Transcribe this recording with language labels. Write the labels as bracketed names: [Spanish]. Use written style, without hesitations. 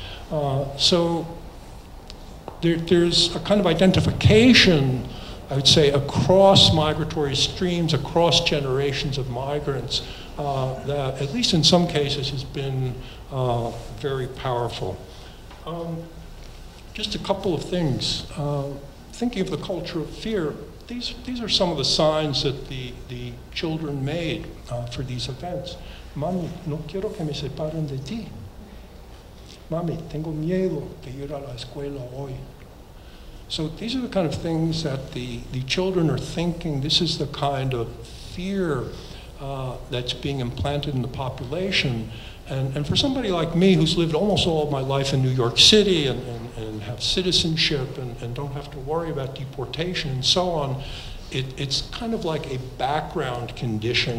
[English] So there's a kind of identification, I would say, across migratory streams, across generations of migrants, that at least in some cases has been very powerful. Just a couple of things. Thinking of the culture of fear, these are some of the signs that the children made for these events. [Spanish] "Mami, no quiero que me separen de ti. Mami, tengo miedo de ir a la escuela hoy." [English] So these are the kind of things that the children are thinking. This is the kind of fear that's being implanted in the population. And for somebody like me, who's lived almost all of my life in New York City and have citizenship and don't have to worry about deportation and so on, it's kind of like a background condition.